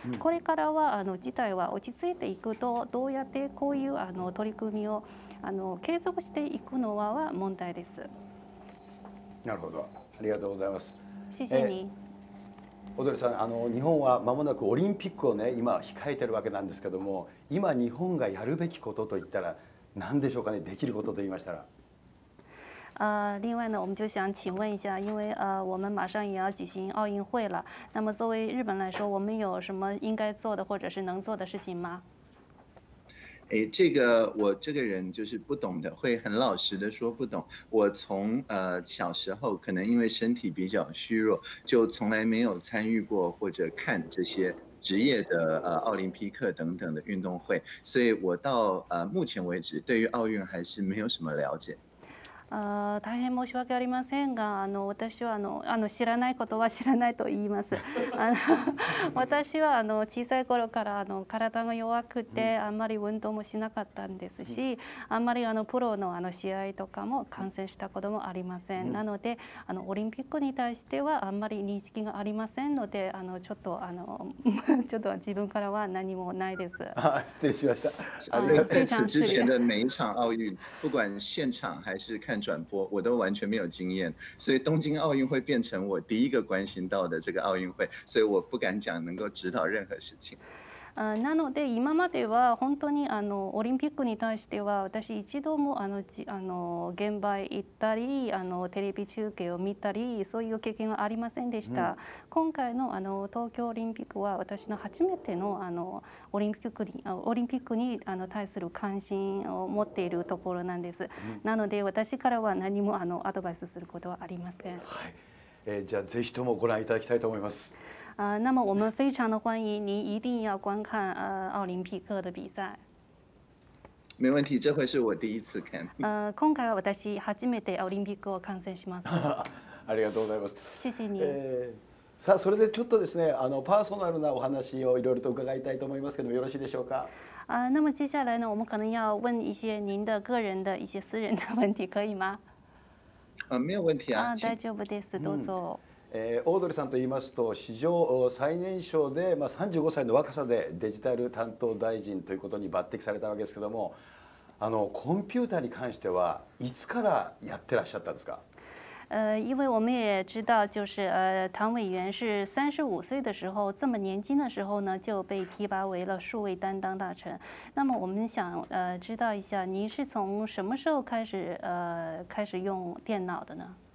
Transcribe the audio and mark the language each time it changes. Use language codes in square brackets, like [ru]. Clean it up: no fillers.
[ja] これからは事態は落ち着いていくと、どうやってこういう取り組みを継続していくのは問題です。なるほど、ありがとうございます。 [zh] 谢谢你。 [ja] 踊さん、日本は間もなくオリンピックをね、今控えてるわけなんですけども、今日本がやるべきことといったら何でしょうかね、できることといいましたら。 [zh] 另外呢，我们就想请问一下，因为我们马上也要举行奥运会了，那么作为日本来说，我们有什么应该做的或者是能做的事情吗？这个我这个人就是不懂的，会很老实的说不懂。我从小时候可能因为身体比较虚弱，就从来没有参与过或者看这些职业的奥林匹克等等的运动会，所以我到目前为止对于奥运还是没有什么了解。 [ja] 大変申し訳ありませんが、私は知らないことは知らないと言います。私は小さい頃から体が弱くて、あんまり運動もしなかったんですし、あんまりプロの試合とかも観戦したこともありません。なので、オリンピックに対してはあんまり認識がありませんので、ちょっと自分からは何もないです。失礼しました。 [zh] 在此之前的每一场奥运，不管现场还是看转播，我都完全没有经验，所以东京奥运会变成我第一个关心到的这个奥运会，所以我不敢讲能够指导任何事情。 [ja] なので、今までは本当にオリンピックに対しては、私一度も現場へ行ったり、テレビ中継を見たり、そういう経験はありませんでした。今回の東京オリンピックは私の初めてのオリンピックに対する関心を持っているところなんです。なので、私からは何もアドバイスすることはありません。じゃあ、ぜひともご覧いただきたいと思います。 [zh] 那么我们非常的欢迎您，一定要观看奥林匹克的比赛。没问题，这回是我第一次看。 [ja] 今回は私初めてオリンピックを観戦します。ありがとうございます。 [zh] 谢谢你。 [ja] さあ、それでちょっとですね、パーソナルなお話をいろいろと伺いたいと思いますけども、よろしいでしょうか。 [zh] 那么接下来呢，我们可能要问一些您的个人的一些私人的问题，可以吗？没有问题啊。 [ja] 大丈夫です。どうぞ。オードリーさんといいますと、史上最年少で、35歳の若さでデジタル担当大臣ということに抜擢されたわけですけども、コンピューターに関してはいつからやってらっしゃったんですか？ [zh] 因为我们也知道，就是唐委员是35岁的时候，这么年轻的时候呢，就被提拔为了数位担当大臣。那么我们想知道一下，您是从什么时候开始用电脑的呢？